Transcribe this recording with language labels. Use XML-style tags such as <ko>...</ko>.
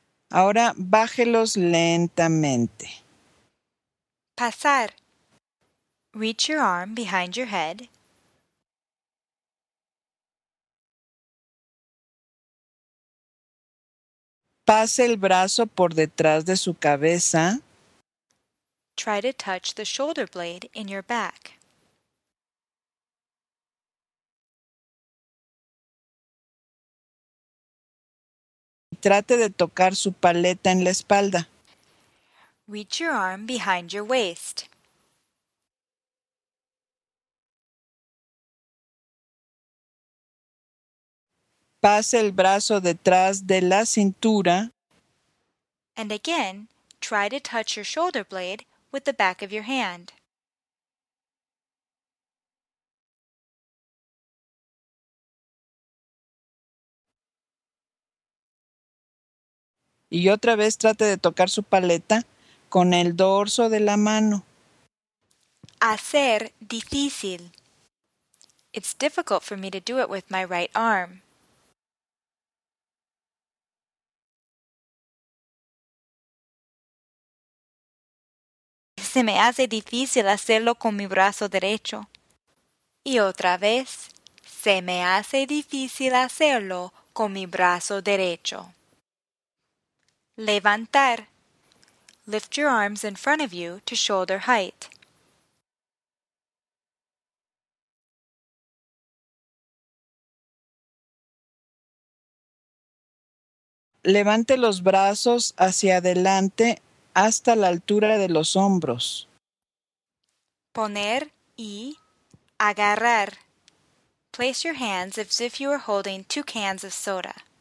<es>Ahora bájelos lentamente. Pasar.</es> <en>Reach your arm behind your head.</en> <es>Pase el brazo por detrás de su cabeza.</es> <en>Try to touch the shoulder blade in your back.</en> <es>Trate de tocar su paleta en la espalda.</es> <en>Reach your arm behind your waist.</en> <es>Pase el brazo detrás de la cintura.</es> <en>And again, try to touch your shoulder blade with the back of your hand.</en> <es>Y otra vez trate de tocar su paleta con el dorso de la mano. Hacer difícil.</es> <en>It's difficult for me to do it with my right arm.</en> <es>Se me hace difícil hacerlo con mi brazo derecho. Y otra vez, se me hace difícil hacerlo con mi brazo derecho. Levantar.</es> <en>Lift your arms in front of you to shoulder height.</en> <es>Levante los brazos hacia adelante hasta la altura de los hombros. Poner y agarrar.</es> <en>Place your hands as if you were holding two cans of soda.</en>